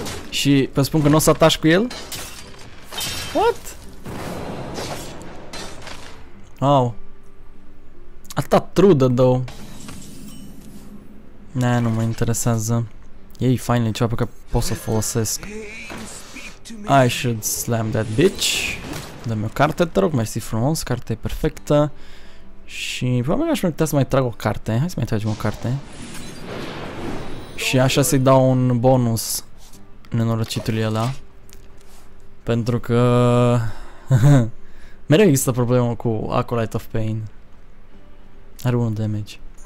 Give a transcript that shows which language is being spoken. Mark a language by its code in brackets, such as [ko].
[ro] Și vă spun că nu o să atași cu el? [en] What? [ro] Wow. Atâta trudă, dău. Nea, nu mă interesează. Ei, finally, ceva pe care pot să folosesc. [en] I should slam that bitch. [ro] Dă-mi o carte, te rog, mersi frumos, carte e perfectă. Și probabil aș putea să mai trag o carte. Hai să mai tragem o carte. Și așa să-i dau un bonus nenorocitului ăla. Pentru că... mereu există problemă cu Acolyte of Pain. Are un damage.